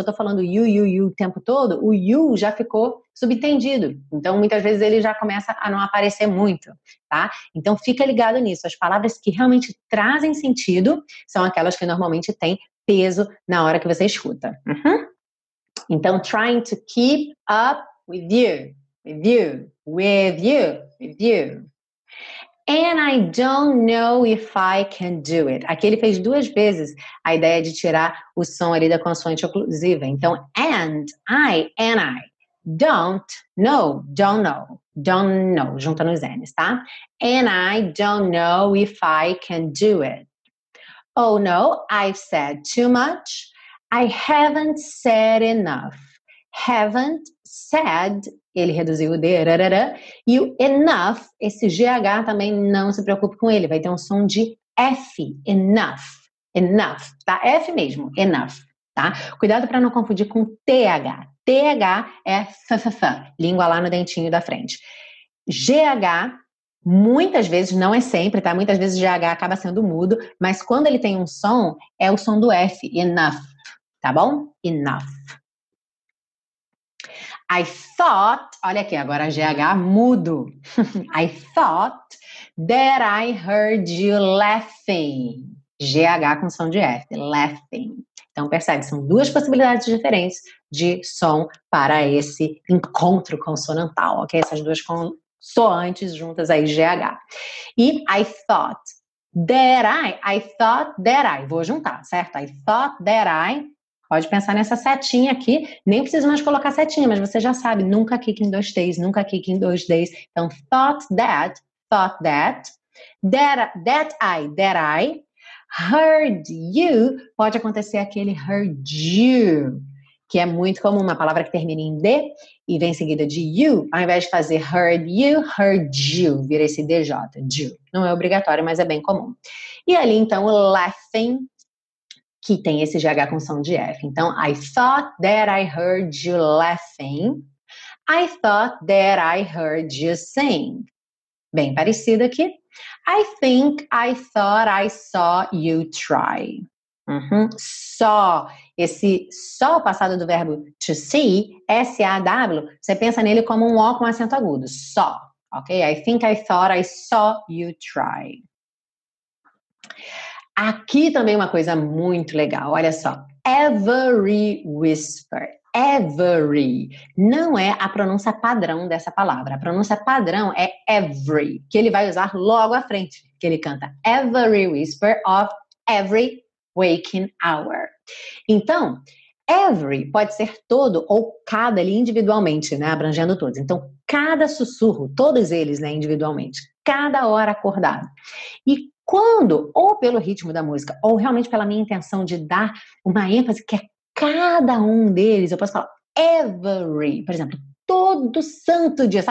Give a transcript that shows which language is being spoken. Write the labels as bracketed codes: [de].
[pt] Se eu tô falando you o tempo todo, o you já ficou subentendido. Então, muitas vezes ele já começa a não aparecer muito, tá? Então, fica ligado nisso. As palavras que realmente trazem sentido são aquelas que normalmente têm peso na hora que você escuta. Uhum. [en] Então, trying to keep up with you, with you, with you, with you. And I don't know if I can do it. [pt] Aqui ele fez duas vezes a ideia de tirar o som ali da consoante oclusiva. Então, and I, don't know, junta nos N's, tá? [en] And I don't know if I can do it. Oh no, I've said too much. I haven't said enough. [pt] Haven't said, ele reduziu o D, rarara, e o enough, esse GH também não se preocupe com ele, vai ter um som de F, enough, enough, tá? F mesmo, enough, tá? Cuidado para não confundir com TH. TH é ffff, língua lá no dentinho da frente. GH, muitas vezes, não é sempre, tá? Muitas vezes GH acaba sendo mudo, mas quando ele tem um som, é o som do F, enough. Tá bom? Enough. I thought, olha aqui, agora GH mudo. [en] I thought that I heard you laughing. [pt] GH com som de F, laughing. Então percebe, são duas possibilidades diferentes de som para esse encontro consonantal, ok? Essas duas consoantes juntas aí, GH. E [en] I thought that I thought that I, [pt] vou juntar, certo? [en] I thought that I. [pt] Pode pensar nessa setinha aqui, nem precisa mais colocar setinha, mas você já sabe, nunca kick em dois T's, nunca kick em dois D's. Então, thought that, that I, heard you, pode acontecer aquele heard you, que é muito comum, uma palavra que termina em D e vem seguida de you, ao invés de fazer heard you, vira esse DJ, you. Não é obrigatório, mas é bem comum. E ali, então, o laughing, que tem esse GH com som de F. [en] Então, I thought that I heard you laughing. I thought that I heard you sing. [pt] Bem parecido aqui. [en] I think I thought I saw you try. Uhum. Saw. [pt] Esse saw passado do verbo to see, S-A-W, você pensa nele como um O com acento agudo. [en] Saw. Ok? I think I thought I saw you try. [pt] Aqui também uma coisa muito legal, olha só. Every whisper, every. Não é a pronúncia padrão dessa palavra. A pronúncia padrão é every, que ele vai usar logo à frente, que ele canta. [en] Every whisper of every waking hour. [pt] Então, every pode ser todo ou cada ali individualmente, né? Abrangendo todos. Então, cada sussurro, todos eles, né? Individualmente. Cada hora acordado. E quando, ou pelo ritmo da música, ou realmente pela minha intenção de dar uma ênfase que é cada um deles, eu posso falar every, por exemplo, todo santo dia.